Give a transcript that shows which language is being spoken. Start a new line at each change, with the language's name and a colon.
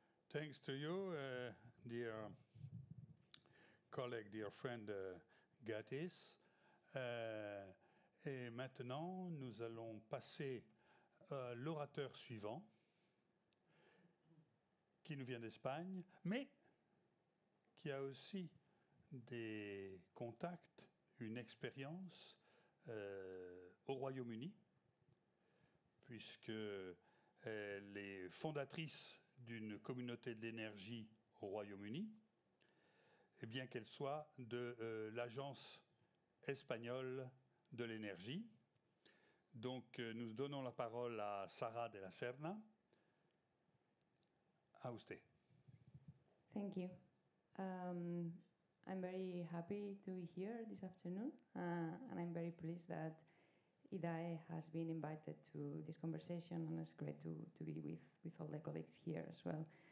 English: Thanks to you, dear colleague, dear friend Gatis.
French: Et maintenant, nous allons passer l'orateur suivant, qui nous vient d'Espagne, mais qui a aussi des contacts, une expérience au Royaume-Uni, puisqu'elle est fondatrice d'une communauté de l'énergie au Royaume-Uni, et bien qu'elle soit de l'Agence espagnole de l'énergie. Donc, nous donnons la parole à Sara de la Serna.
Spanish: A usted.
English: Thank you. I'm very happy to be here this afternoon, and I'm very pleased that IDAE has been invited to this conversation, and it's great to be with all the colleagues here as well.